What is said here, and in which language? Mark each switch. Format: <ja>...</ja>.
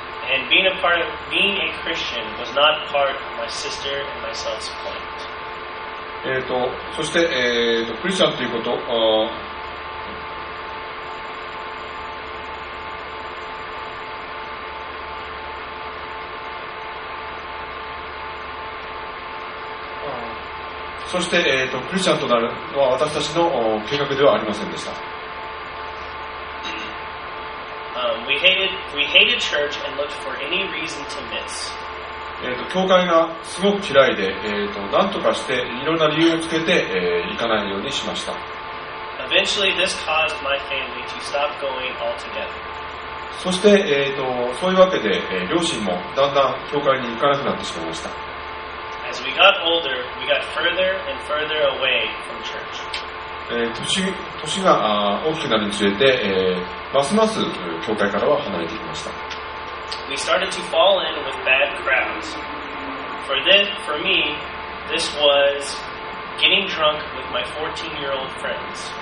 <en>And being a part of being a Christian was not part of my sister and myself's plan.</en> <ja>そして、クリスチャンということ、そして、クリスチャンとなるのは私たちの計画ではありませんでした。</ja> <en>We hated church and looked for any reason to miss.</en> <ja>教会がすごく嫌いで、何とかしていろんな理由をつけて、行かないようにしました。</ja> <en>Eventually, this caused my family to stop going altogether.</en> <ja>そして、そういうわけで、両親もだんだん教会に行かなくなってしまいました。</ja> <en>As we got older, we got further and further away from church.</en> <ja>年が大きくなるにつれて、ますます教会からは離れてきました。</ja> <en>We started to fall in with bad crowds. For me, this was getting drunk with my 14-year-old friends.</en>